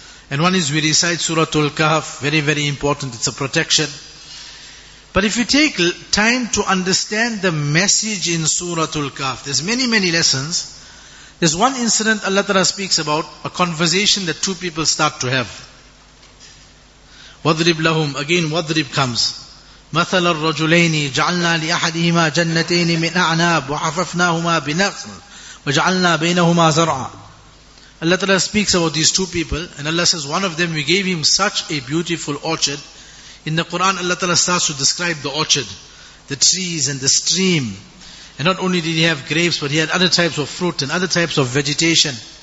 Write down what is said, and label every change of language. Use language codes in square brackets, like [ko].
[en] And one is we recite Suratul Kahf, very, very important, it's a protection. But if you take time to understand the message in Suratul Kahf, there's many, many lessons. There's one incident Allah Ta'ala speaks about, a conversation that two people start to have. Wadrib lahum, again wadrib comes. [ar] مثل الرجلين جعلنا لأحدهما جنتين من أعناب وحففناهما بنخل وجعلنا بينهما زرعا. [en] Allah Ta'ala speaks about these two people, and Allah says, one of them, we gave him such a beautiful orchard. In the Quran, Allah Ta'ala starts to describe the orchard, the trees and the stream. And not only did he have grapes, but he had other types of fruit and other types of vegetation.